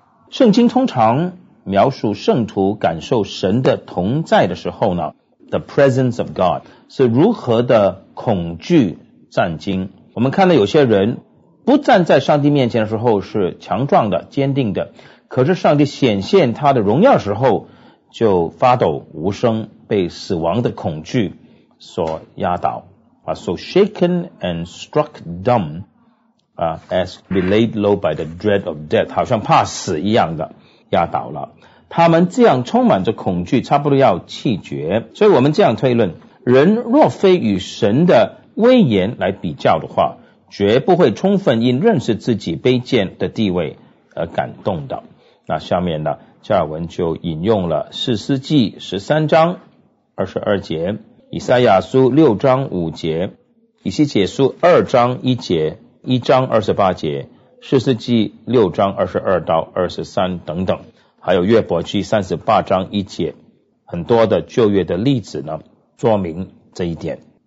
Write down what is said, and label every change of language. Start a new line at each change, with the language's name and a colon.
Chinese: 圣经通常描述圣徒感受神的同在的时候呢，
English: The presence of God
Chinese: 是如何的恐惧战惊。我们看到有些人不站在上帝面前的时候是强壮的坚定的，可是上帝显现他的荣耀时候就发抖无声，被死亡的恐惧所压倒。
English: So shaken and struck dumb, as be laid low by the dread of death,
Chinese: 好像怕死一样的压倒了。他们这样充满着恐惧，差不多要气绝。所以我们这样推论，人若非与神的威严来比较的话，绝不会充分因认识自己卑贱的地位而感动的。那下面呢，加尔文就引用了士师记13章22节、以赛亚书6章5节、以西结书2章1节、1章28节、士师记6章22到23等等，还有约伯记38章1节，很多的旧约的例子呢，说明这一点。